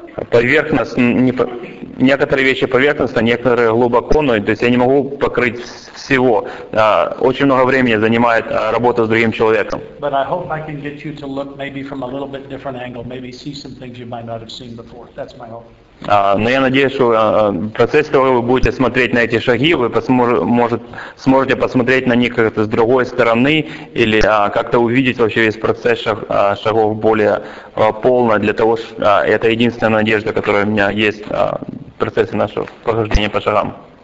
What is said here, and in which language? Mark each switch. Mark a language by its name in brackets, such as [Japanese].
[Russian] поверхностно, некоторые вещи поверхностно, некоторые глубоко, но, то есть я не могу покрыть всего. Очень много времени занимает работа с другим человеком. [English] But I hope I can get you to look maybe from a little bit different angle, maybe see some things you might not have seen before. That's my hope. [Russian] Но я надеюсь, что в процессе того, вы будете смотреть на эти шаги, вы сможете посмотреть на них как-то с другой стороны или как-то увидеть вообще весь процесс шагов более полно для того, что это единственная надежда, которая у меня есть в процессе нашего прохождения по шагам.